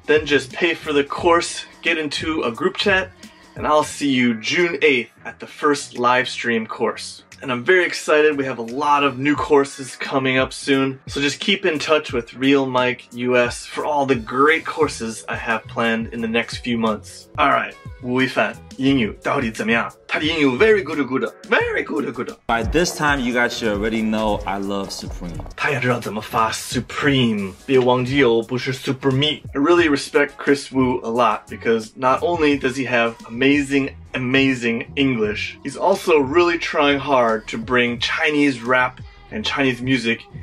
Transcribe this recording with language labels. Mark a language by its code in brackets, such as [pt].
[en] Then just pay for the course, get into a group chat, and I'll see you June 8th at the first live stream course. And I'm very excited. We have a lot of new courses coming up soon. So just keep in touch with Real Mike US for all the great courses I have planned in the next few months. All right. [zh] 吴亦凡英语到底怎么样？他的英语 [en] very good good very good good. By this time, you guys should already know I love Supreme. [zh] 他也知道怎么发 Supreme. 别忘记哦，不是 Super Me. [en] I really respect Chris Wu a lot because not only does he have amazing English, he's also really trying hard to bring Chinese rap and Chinese music.